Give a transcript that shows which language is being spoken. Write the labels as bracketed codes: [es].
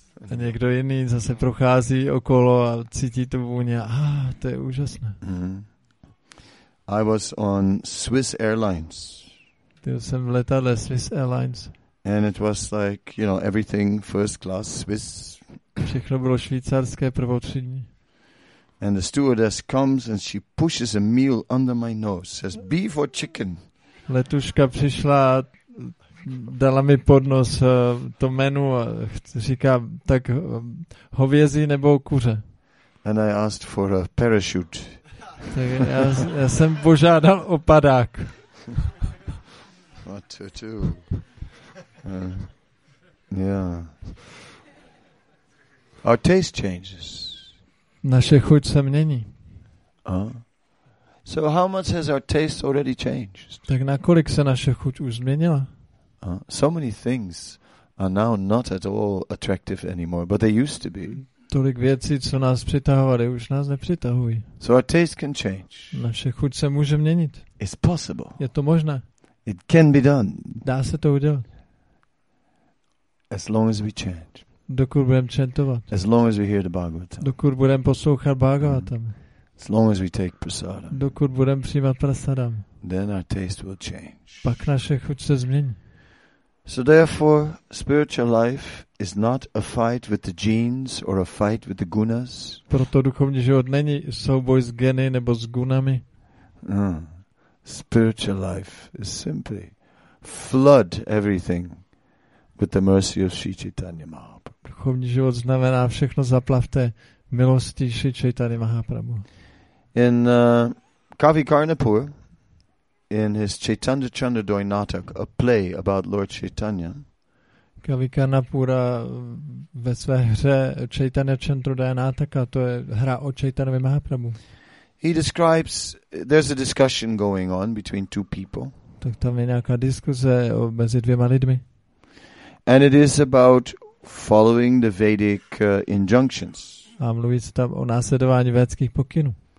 [cs] A někdo jiný zase prochází okolo a cítí tu vůni, to je úžasné. [en] I was on Swiss Airlines. [cs] Byl jsem v letadle Swiss Airlines. [en] And it was like, you know, everything first class Swiss. [cs] Všechno bylo švýcarské prvotřídní. [en] And the stewardess comes and she pushes a meal under my nose. Says beef or chicken. [cs] Letuška přišla, dala mi pod nos to menu a říká, tak hovězí nebo kuře. [en] And I asked for a parachute. [cs] Tak já jsem požádal o padák. [en] What to do? Yeah. Our taste changes. [cs] Naše chuť se mění. [en] So how much has our taste already changed? [cs] Tak nakolik se naše chuť už změnila? [en] So many things are now not at all attractive anymore, but they used to be. [cs] Tolik věcí, co nás přitahovaly, už nás nepřitahují. [en] So our taste can change. [cs] Naše chuť se může měnit. [en] It's possible. [cs] Je to možné. [en] It can be done. [cs] Dá se to udělat. [en] As long as we chant. [cs] Dokud budeme chantovat. [en] As long as we hear the Bhagavatam. [cs] Dokud budeme poslouchat Bhagavatam. [en] As long as we take prasadam. [cs] Dokud budeme přijímat prasadam. [en] Then our taste will change. [cs] Pak naše chuť se změní. [en] So therefore, spiritual life is not a fight with the genes or a fight with the gunas. [cs] Proto duchovní život není souboj s geny nebo s gunami. [en] Spiritual life is simply flood everything with the mercy of Sri Chaitanya Mahaprabhu. [cs] Duchovní život znamená všechno zaplavte milostí Sri Chaitanya Mahaprabhu. [en] In Kavi Karnapur, in his Chaitanya Chandradoy Natak, a play about Lord Chaitanya. [cs] Kavi Karnapura ve své hře Chaitanya Chandradoy Nataka, to je hra o Chaitanya Mahaprabhu. [en] He describes, there's a discussion going on between two people. [cs] Tak tam je nějaká diskuze mezi dvěma lidmi. [en] And it is about following the Vedic injunctions. [cs] A mluví se tam o následování védských pokynů.